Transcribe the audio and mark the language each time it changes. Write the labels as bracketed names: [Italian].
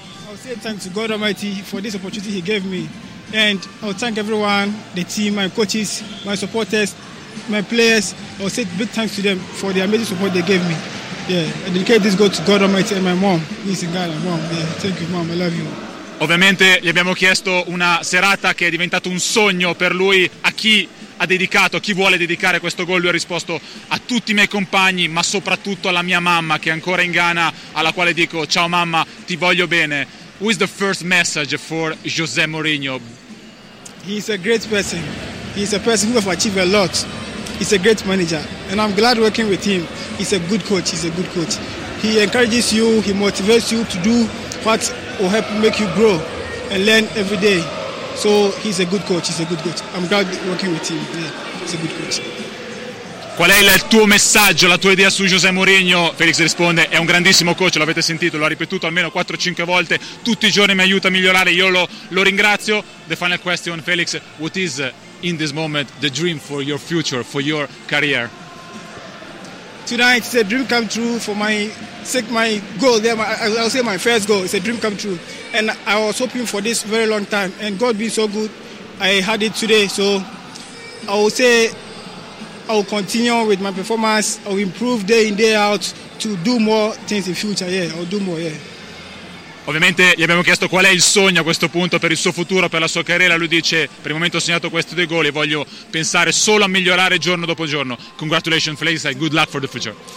[English] I'll say thanks to God Almighty for this opportunity he gave me. And I'll thank everyone, the team, my coaches, my supporters, my players. I'll say big thanks to them for the amazing support they gave me. Yeah, I dedicate this goal to God Almighty and my mom. He's in Ghana, mom. Yeah, thank you, mom. I love you. [Italian] Ovviamente gli abbiamo chiesto una serata che è diventato un sogno per lui. A chi ha dedicato, a chi vuole dedicare questo gol, lui ha risposto: a tutti i miei compagni, ma soprattutto alla mia mamma che è ancora in Ghana, alla quale dico ciao mamma, ti voglio bene. [English] Who is the first message for José Mourinho? He's a great person. He's a person who has achieved a lot. He's a great manager and I'm glad working with him. He's a good coach. He's a good coach. He encourages you, he motivates you to do what will help make you grow and learn every day. So he's a good coach, he's a good coach. I'm glad working with him. Yeah, he's a good coach. [Italian] Qual è il tuo messaggio, la tua idea su José Mourinho? Felix risponde: è un grandissimo coach, l'avete sentito, l'ha ripetuto almeno 4-5 volte, tutti i giorni mi aiuta a migliorare, io lo ringrazio. [English] The final question, Felix, what is in this moment the dream for your future, for your career? Tonight is a dream come true for my goal there. I'll say my first goal. It's a dream come true, and I was hoping for this very long time. And God being so good, I had it today. So I will say I will continue with my performance. I will improve day in day out to do more things in future. Yeah, I'll do more. Yeah. [Italian] Ovviamente gli abbiamo chiesto qual è il sogno a questo punto per il suo futuro, per la sua carriera. Lui dice: per il momento ho segnato questi due gol e voglio pensare solo a migliorare giorno dopo giorno. [English] Congratulations, Felix, and good luck for the future.